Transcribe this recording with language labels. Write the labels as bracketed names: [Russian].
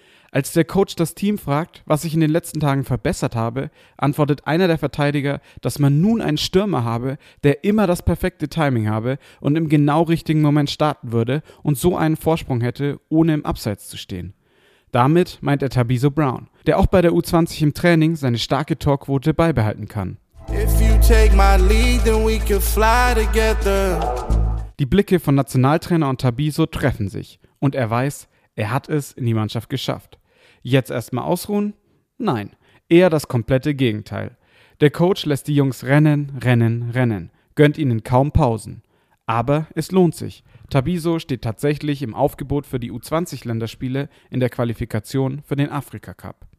[German] Als der Coach das Team fragt, was ich in den letzten Tagen verbessert habe, antwortet einer der Verteidiger, dass man nun einen Stürmer habe, der immer das perfekte Timing habe und im genau richtigen Moment starten würde und so einen Vorsprung hätte, ohne im Abseits zu stehen. Damit meint er Tabiso Brown, der auch bei der U20 im Training seine starke Torquote beibehalten kann. [English] If you take my lead, then we can fly together. [German] Die Blicke von Nationaltrainer und Tabiso treffen sich und er weiß, er hat es in die Mannschaft geschafft. Jetzt erstmal ausruhen? Nein, eher das komplette Gegenteil. Der Coach lässt die Jungs rennen, rennen, rennen, gönnt ihnen kaum Pausen. Aber es lohnt sich. Tabiso steht tatsächlich im Aufgebot für die U20-Länderspiele in der Qualifikation für den Afrika-Cup.